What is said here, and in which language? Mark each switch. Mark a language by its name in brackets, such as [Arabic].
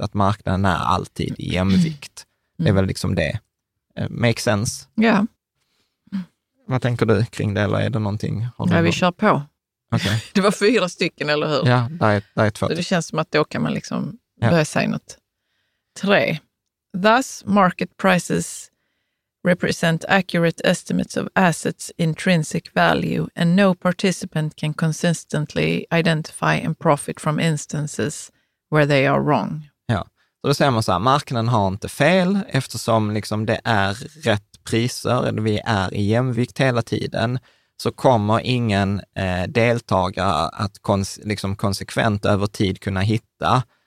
[Swedish] Att marknaden är alltid i jämvikt. Det är väl liksom det. [English] Makes sense? [Swedish] Ja. Yeah. Vad tänker du kring det, eller är det någonting? Nej, vi kör på. Okay. Det var fyra stycken, eller hur? Ja, yeah, där är två. Så det känns som att då kan man liksom börja säga något. Tre. [English] Thus, market prices represent accurate estimates of assets' intrinsic value, and no participant can consistently identify and profit from instances where they are wrong. [Swedish] Ja, så då säger man så här, marknaden har inte fel, eftersom liksom det är rätt priser, eller vi är i jämvikt hela tiden, så kommer ingen deltagare att konsekvent över tid kunna hitta,